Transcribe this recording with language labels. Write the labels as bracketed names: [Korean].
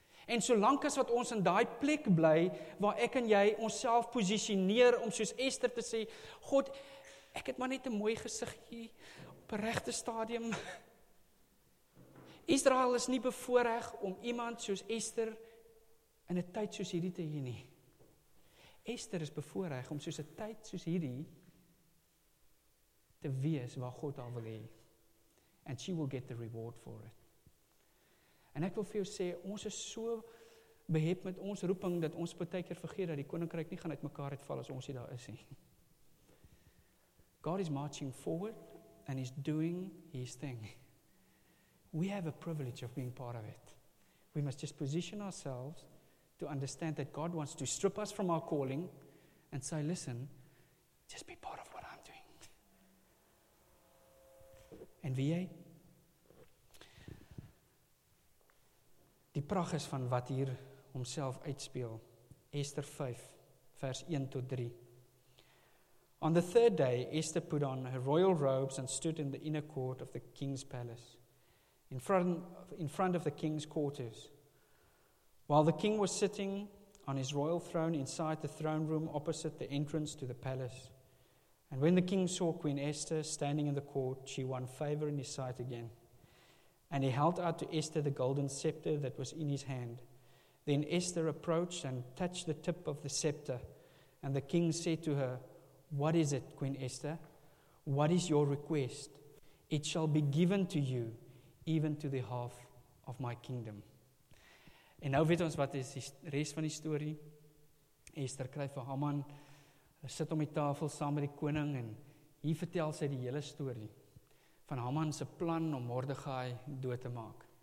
[Afrikaans] En solank as wat ons in daai plek bly, waar ek en jy onsself positioneer om soos Esther te sê, God, ek het maar net 'n mooi gesig hier op 'n regte stadium. Israel is nie bevoorreg om iemand soos Esther in 'n tyd soos hierdie te hê nie. Esther is bevoorreg om soos 'n tyd soos hierdie te wees waar God haar wil hê. [English] And she will get the reward for it. [Afrikaans] En ek wil vir jou sê, ons is so behep met ons roeping, dat ons partykeer vergeet dat die koninkryk nie gaan uit mekaar uitval as ons nie daar is nie. [English] God is marching forward and is doing his thing. We have a privilege of being part of it. We must just position ourselves to understand that God wants to strip us from our calling and say, listen, just be part of what I'm doing. [Afrikaans] En wie jy? Die pracht is van wat hier homself uitspeel. Esther 5, vers 1 tot 3. [English] On the third day, Esther put on her royal robes and stood in the inner court of the king's palace, in front of the king's quarters. While the king was sitting on his royal throne inside the throne room opposite the entrance to the palace. And when the king saw Queen Esther standing in the court, she won favor in his sight again. And he held out to Esther the golden scepter that was in his hand. Then Esther approached and touched the tip of the scepter. And the king said to her, what is it, Queen Esther? What is your request? It shall be given to you, even to the half of my kingdom. [Afrikaans] En nou weet ons wat is die res van die story. Esther kry vir Haman, sit om die tafel saam met die koning en hier vertel sy die hele story van Haman se plan om Mordechai dood te maak.